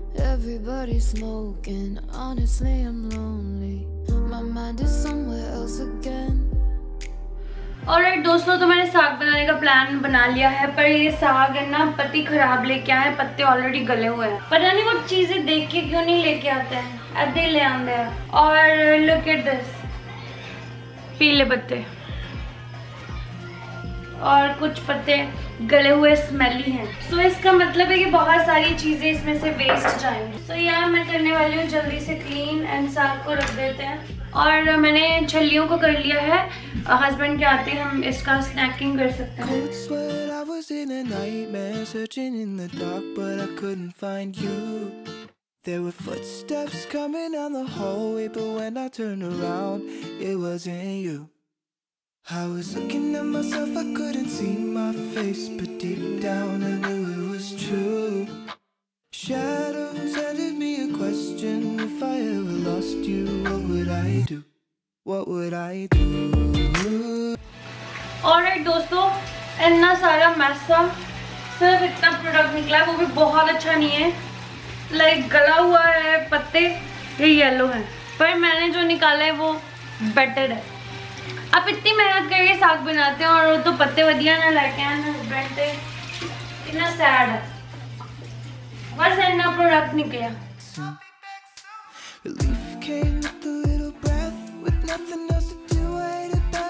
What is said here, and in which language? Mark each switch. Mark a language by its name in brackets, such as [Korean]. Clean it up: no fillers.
[English] Everybody's smoking, honestly I'm lonely. My mind is somewhere else again. [Hindi] Alright, दोस्तों, तो मैंने साग बनाने का प्लान बना लिया है. पर ये साग है ना, पत्ती खराब लेके आए, पत्ते ऑलरेडी गले हुए हैं. पता नहीं वो चीजें देख के क्यों नहीं लेके आते हैं, [Punjabi] अदे ले आंदे हैं. [Hindi] और [English] look at this, [Hindi] पीले पत्ते और कुछ पत्ते गले हुए स्मेली हैं. सो इसका मतलब है कि बहुत सारी चीजें इसमें से वेस्ट जाएंगी. सो यहाँ मैं करने वाली हूँ जल्दी से क्लीन एंड साग को रख देते हैं. और मैंने छलियों को कर लिया है, हस्बैंड के आते हम इसका स्नैकिंग कर सकते हैं. [English] I was in a nightmare, searching in the dark, but I couldn't find you. There were footsteps coming down the hallway, but when I turned around, it wasn't you. I was looking at myself, I couldn't see my face, but deep down I knew it was true. Shadows handed me a question, if I ever lost you, what would I do? What would I do? [Hindi] Alright, दोस्तों, इतना सारा mess था, सिर्फ इतना product निकला, वो भी बहुत अच्छा नहीं है. लाइक गला हुआ है, पत्ते ये येलो है, पर मैंने जो निकाला है वो बेटर है. आप इतनी मेहनत करके साग बनाते हैं और वो तो पत्ते वधिया ना लगे हैं ना हस्बैंड पे, इतना सैड है. बस इतना प्रोडक्ट निकला. [English] Relief came with a little breath, with nothing else to do, I had to